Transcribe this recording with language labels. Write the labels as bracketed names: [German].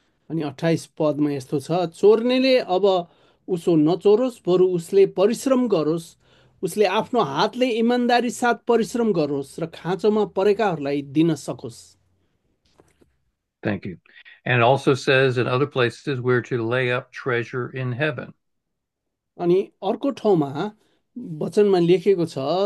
[Nepali] अनि 28 पदमा यस्तो छ, चोर्नेले अब उसो नचोरोस्, बरु उसले परिश्रम गरोस्, उसले आफ्नो हातले इमान्दारी साथ परिश्रम गरोस् र खाँचोमा परेकाहरूलाई दिन सकोस्। [English] Thank you. And also says in other places we're to lay up treasure in heaven. [Nepali] अनि अर्को ठाउँमा वचनमा लेखेको छ,